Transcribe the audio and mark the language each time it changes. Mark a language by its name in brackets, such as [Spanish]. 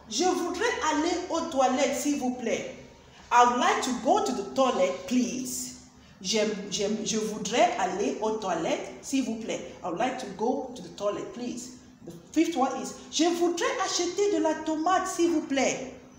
[French] Je voudrais aller aux toilettes, s'il vous plaît. [English] I would like to go to the toilet, please. [French] Je voudrais aller aux toilettes, s'il vous plaît. [English] I would like to go to the toilet, please. The fifth one is. [French] Je voudrais acheter de la tomate, s'il vous plaît.